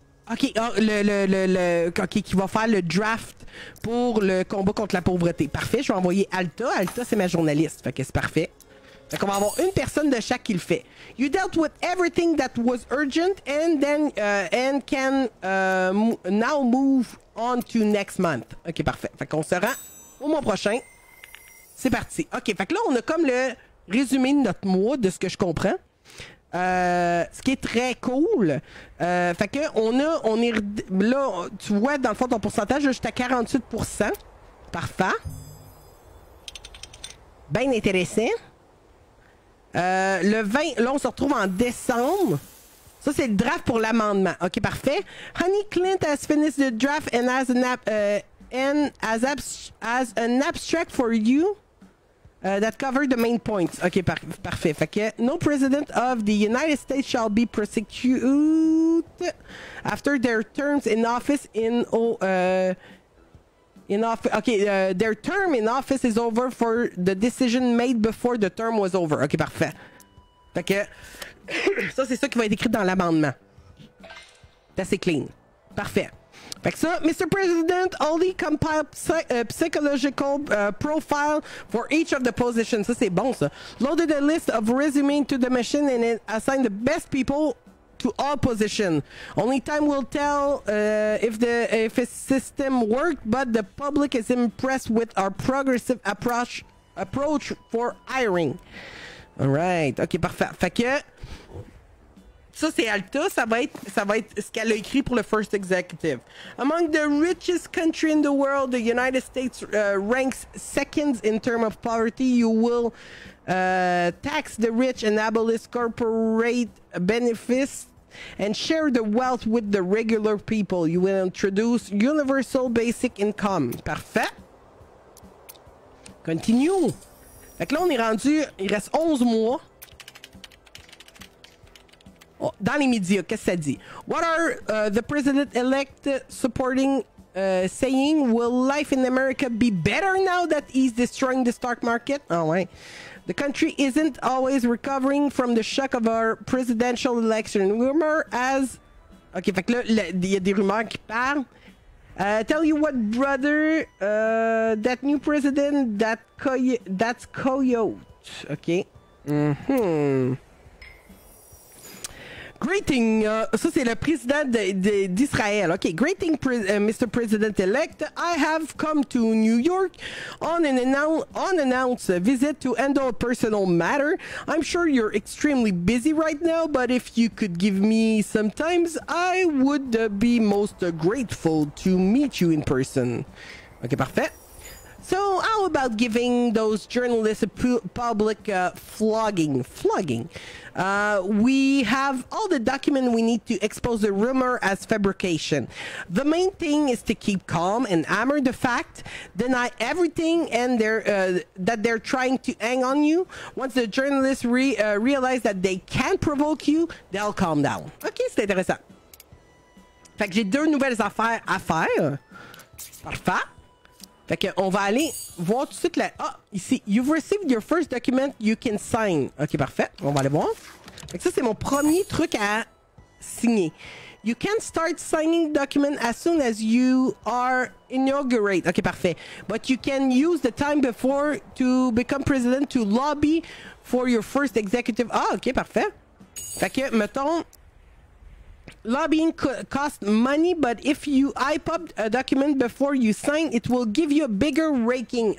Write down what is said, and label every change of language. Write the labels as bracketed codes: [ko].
[fr] OK, oh, le OK, qui va faire le draft pour le combat contre la pauvreté. Parfait, je vais envoyer Alta. Alta, c'est ma journaliste. Fait que c'est parfait. Fait qu'on va avoir une personne de chaque qui le fait. [en] You dealt with everything that was urgent and then and can now move on to next month. [fr] OK, parfait. Fait qu'on se rend au mois prochain. C'est parti. OK, fait que là, on a comme le résumé de notre mois, de ce que je comprends. Ce qui est très cool, fait que on est là, tu vois, dans le fond, ton pourcentage, là, j'étais à 48%. Parfait. Bien intéressant. Le 20, là, on se retrouve en décembre. Ça, c'est le draft pour l'amendement. OK, parfait. [en] Honey, Clint has finished the draft and has an, an abstract for you. That covered the main points. [fr] OK, parfait. Fait que, [en] no president of the United States shall be prosecuted after their terms in office in... their term in office is over for the decision made before the term was over. [fr] OK, parfait. Fait que, ça, c'est ça qui va être écrit dans l'amendement. [en] That's it, clean. [fr] Parfait. Fait que ça, Mr. [en] President, only compile psychological profile for each of the positions. [fr] Ça, c'est bon, ça. [en] Loaded a list of resumes to the machine and assign the best people to all positions. Only time will tell if a system worked, but the public is impressed with our progressive approach for hiring. All right. [fr] OK, parfait. Fait que... Ça, c'est Alta. Ça va être ce qu'elle a écrit pour le [en] first executive. Among the richest country in the world, the United States ranks second in terms of poverty. You will tax the rich and abolish corporate benefits and share the wealth with the regular people. You will introduce universal basic income. [fr] Parfait. Continue. Fait que là, on est rendu, il reste 11 mois. Dans les médias, qu'est-ce que ça dit? [en] What are the president-elect supporting saying? Will life in America be better now that he's destroying the stock market? [fr] Oh, ouais. [en] The country isn't always recovering from the shock of our presidential election. Rumor as... [fr] OK, fait que là, il y a des rumeurs qui parlent. [en] Tell you what, brother, that new president, that's coyote. OK. Mm-hmm. [fr] Greeting, ça c'est le président d'Israël. [en] OK, greeting, Mr. President-elect. I have come to New York on an unannounced visit to handle a personal matter. I'm sure you're extremely busy right now, but if you could give me some time, I would be most grateful to meet you in person. OK, [fr] parfait. [en] So, how about giving those journalists a public flogging? Flogging. We have all the documents we need to expose the rumor as fabrication. The main thing is to keep calm and hammer the fact, deny everything and they're trying to hang on you. Once the journalists realize that they can't provoke you, they'll calm down. [fr] OK, c'est intéressant. Fait que j'ai deux nouvelles affaires à faire. Parfait. Fait que on va aller voir tout de suite la... Ah, ici. [en] You've received your first document you can sign. [fr] Ok, parfait. On va aller voir. Fait que ça, c'est mon premier truc à signer. [en] You can start signing document as soon as you are inaugurated. [fr] Ok, parfait. [en] But you can use the time before to become president to lobby for your first executive. [fr] Ah, ok, parfait. Fait que, mettons... [en] Lobbying costs money, but if you IPUB a document before you sign, it will give you a bigger ranking.